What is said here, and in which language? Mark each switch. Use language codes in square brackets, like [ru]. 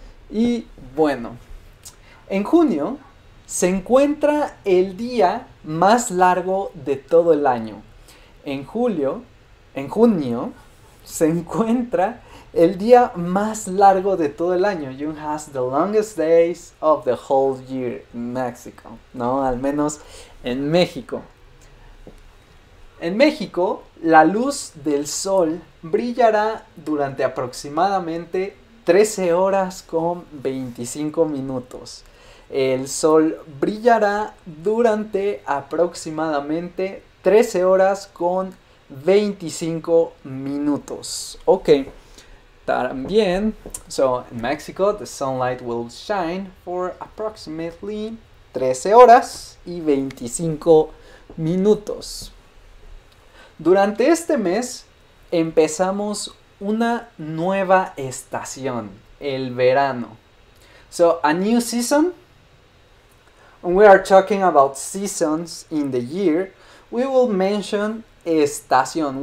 [es] Y bueno, en junio se encuentra el día más largo de todo el año. En junio, se encuentra el día más largo de todo el año. [en] June has the longest days of the whole year in Mexico, ¿no? [es] Al menos en México. En México, la luz del sol brillará durante aproximadamente 13 horas con 25 minutos. El sol brillará durante aproximadamente 13 horas con 25 minutos. Ok, también. [en] So, in Mexico, the sunlight will shine for approximately 13 [es] horas y 25 minutos. Durante este mes empezamos una nueva estación, el verano. [en] So, a new season. We are talking about seasons in the year. We will mention estación.